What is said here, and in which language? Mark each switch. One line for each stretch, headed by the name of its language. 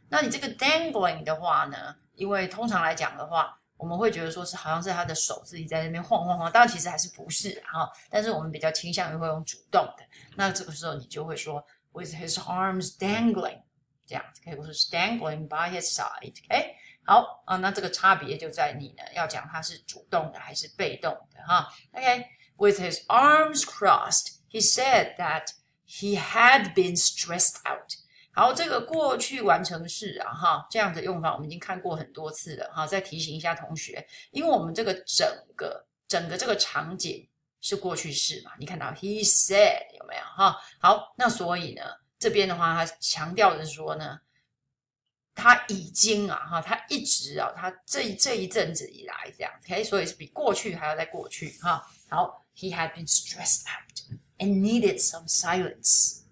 Chinese: 那你这个 dangling 的话呢，因为通常来讲的话，我们会觉得说是好像是他的手自己在那边晃晃晃，但其实还是不是哈。但是我们比较倾向于会用主动的，那这个时候你就会说
English: with his arms dangling,
Chinese: 这样子可以说是
English: dangling by his side,
Chinese: OK。好啊，那这个差别就在你呢，要讲他是主动的还是被动的哈。
English: OK， with his arms crossed, he said that he had been stressed out.
Chinese: 好，这个过去完成式啊哈，这样的用法我们已经看过很多次了哈。再提醒一下同学，因为我们这个整个这个场景是过去式嘛，你看到
English: he said
Chinese: 有没有哈？好，那所以呢，这边的话他强调的是说呢。他已经啊哈，他一直啊，他这一阵子以来这样 ，OK， 所以是比过去还要再过去哈。
English: 好 ，He had been stressed out and needed some silence.